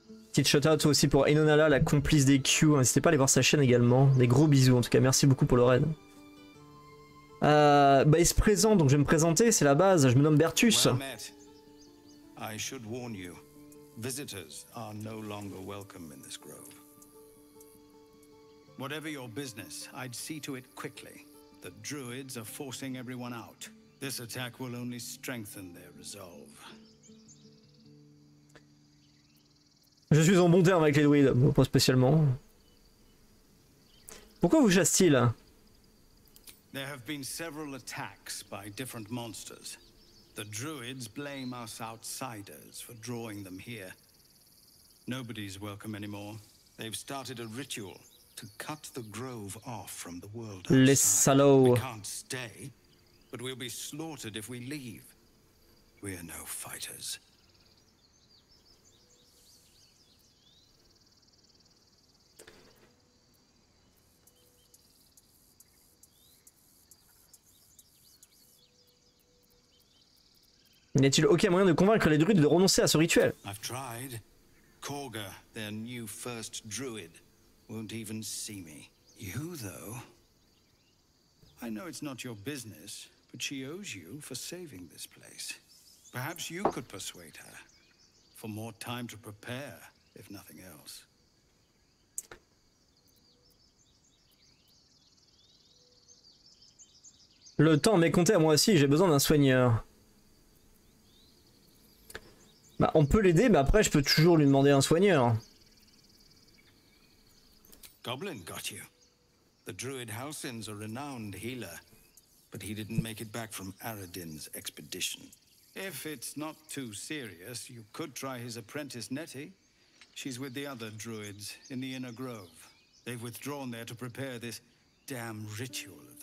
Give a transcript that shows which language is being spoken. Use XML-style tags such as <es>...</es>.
<fr>Petite shout-out aussi pour Enonala, la complice des Q. N'hésitez pas à aller voir sa chaîne également. Des gros bisous, en tout cas, merci beaucoup pour le raid. Bah, il se présente, donc je vais me présenter, c'est la base. Je me nomme Bertus.</fr> <en>I should warn you. Visitors are no longer welcome in this grove. Whatever your business, I'd see to it quickly. The druids are forcing everyone out. This attack will only strengthen their resolve.</en> <fr>Je suis en bon terme avec les druides, bon, pas spécialement. Pourquoi vous chassent-ils?</fr> <en>There have been several attacks by different monsters. The druids blame us outsiders for drawing them here. Nobody's welcome anymore. They've started a ritual to cut the grove off from the world.</en> <fr>Les salauds.</fr> <en>We can't stay, but we'll be slaughtered if we leave. We are no fighters.</en> <fr>N'y a-t-il aucun moyen de convaincre les druides de renoncer à ce rituel?</fr> <en>I've tried. Corga, their new first druid, won't even see me. You, though. I know it's not your business, but she owes you for saving this place. Perhaps you could persuade her. For more time to prepare, if nothing else.</en> <fr>Le temps m'est compté à moi aussi, j'ai besoin d'un soigneur. Bah, on peut l'aider, mais après, je peux toujours lui demander un soigneur.</fr> <en>Goblin got you. The druid Halcyn's a renowned healer, but he didn't make it back from Aradin's expedition. If it's not too serious, you could try his apprentice Nettie. She's with the other druids in the inner grove. They've withdrawn there to prepare this damn ritual.</en>